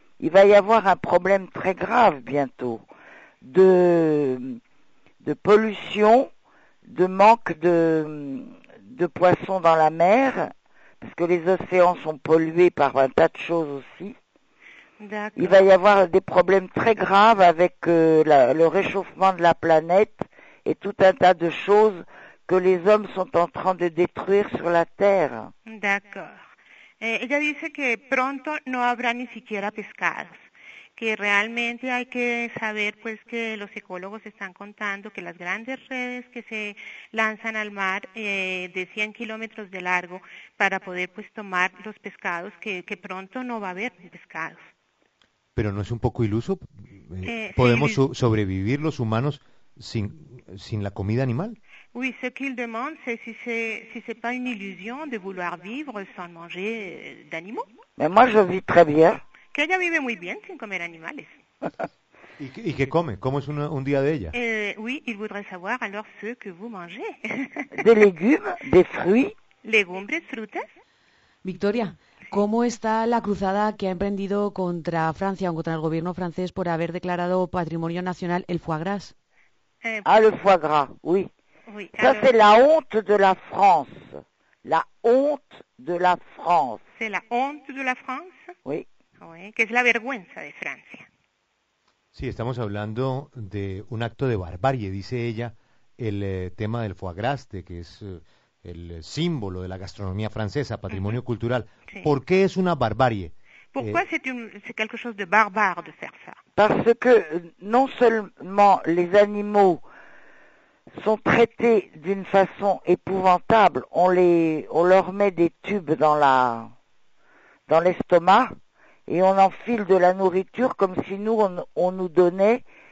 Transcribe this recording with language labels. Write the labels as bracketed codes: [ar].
[fr] Il va y avoir un problème très grave bientôt de pollution, de manque de poissons dans la mer, parce que les océans sont pollués par un tas de choses aussi. Il va D'accord. y avoir des problèmes très graves avec le réchauffement de la planète. Et tout un tas de choses que les hommes sont en train de détruire sur la Terre. D'accord. [es] Ella dice que pronto no habrá ni siquiera pescados, que realmente hay que saber pues que los ecólogos están contando que las grandes redes que se lanzan al mar de 100 kilómetros de largo para poder pues tomar los pescados, que pronto no va a haber ni pescados. Pero ¿no es un poco iluso? Sí, ¿Podemos Luis. sobrevivir los humanos sin la comida animal? [fr] Oui, ce qu'il demande, c'est si c'est pas une illusion de vouloir vivre sans manger d'animaux. Mais moi, je vis très bien. Qu'elle vive [es] muy bien sin comer animales. ¿Y qué come? ¿Cómo es un día de ella? [fr] Oui, il voudrait savoir alors ce que vous mangez. Des légumes, des fruits. [es] Légumes, frutas. Victoria, ¿cómo está la cruzada que ha emprendido contra Francia o contra el gobierno francés por haber declarado patrimonio nacional el foie gras? [fr] Ah, le foie gras, oui. Oui, Ça, alors. c'est la honte de la France. La honte de la France. C'est la honte de la France? Oui. [es] Oui, que es la vergüenza de Francia. Sí, estamos hablando de un acto de barbarie, dice ella, el tema del foie gras, que es el símbolo de la gastronomía francesa, patrimonio cultural. Sí. ¿Por qué es una barbarie? [fr] Pourquoi c'est quelque chose de barbare de faire ça? Parce que non seulement les animaux sont traités d'une façon épouvantable, on leur met des tubes dans l'estomac et on enfile de la nourriture comme si nous, on nous donnait,